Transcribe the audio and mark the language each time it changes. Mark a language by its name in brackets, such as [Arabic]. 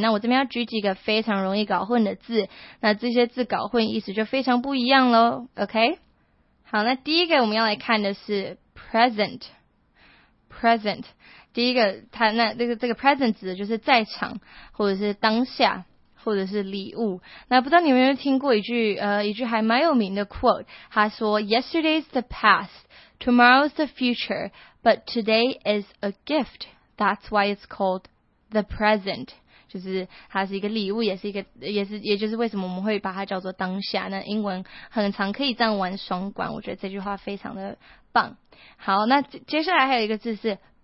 [Chinese] 那我这边要举几个非常容易搞混的字，那这些字搞混意思就非常不一样咯。 OK， 好，那第一个我们要来看的是 present。第一个，它那这个 present 指的就是在场，或者是当下，或者是礼物。那不知道你有没有听过一句还蛮有名的 quote， 他说 ： [English] “Yesterday's the past, tomorrow's the future, but today is a gift. That's why it's called the present。” [Chinese] 就是它是一个礼物，也就是为什么我们会把它叫做当下。那英文很常可以这样玩双关，我觉得这句话非常的棒。好，那接下来还有一个字是。